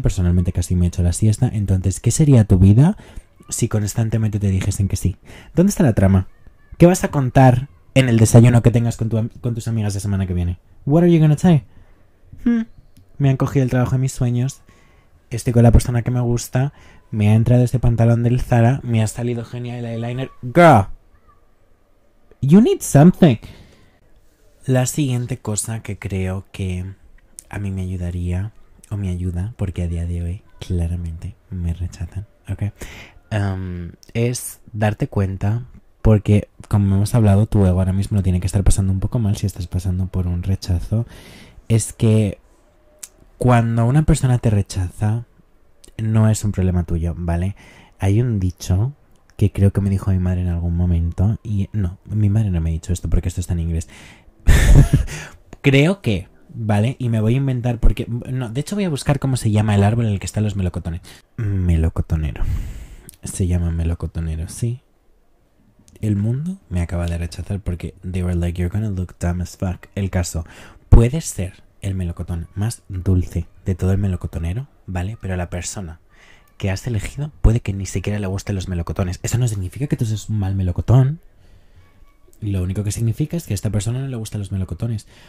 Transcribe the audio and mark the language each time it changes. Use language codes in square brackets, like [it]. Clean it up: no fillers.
[es] Personalmente casi me he hecho la siesta. Entonces, ¿qué sería tu vida si constantemente te dijesen que sí? ¿Dónde está la trama? ¿Qué vas a contar en el desayuno que tengas con tus amigas la semana que viene? [en] What are you gonna say? [es] Me han cogido el trabajo de mis sueños. Estoy con la persona que me gusta. Me ha entrado este pantalón del Zara. Me ha salido genial el eyeliner. [en] Girl, you need something. [es] La siguiente cosa que creo que a mí me ayudaría, o me ayuda, porque a día de hoy claramente me rechazan, ¿ok? Es darte cuenta, porque como hemos hablado, tu ego ahora mismo lo tiene que estar pasando un poco mal si estás pasando por un rechazo. Es que cuando una persona te rechaza, no es un problema tuyo, ¿vale? Hay un dicho que creo que me dijo mi madre en algún momento, y no, mi madre no me ha dicho esto porque esto está en inglés. Creo que, ¿vale? Y me voy a inventar porque, no, de hecho voy a buscar cómo se llama el árbol en el que están los melocotones. Melocotonero. Se llama melocotonero, sí. El mundo me acaba de rechazar porque [en] they were like, you're gonna look dumb as fuck. [es] El caso, puede ser el melocotón más dulce de todo el melocotonero, ¿vale? Pero la persona que has elegido puede que ni siquiera le gusten los melocotones. Eso no significa que tú seas un mal melocotón. Lo único que significa es que a esta persona no le gustan los melocotones.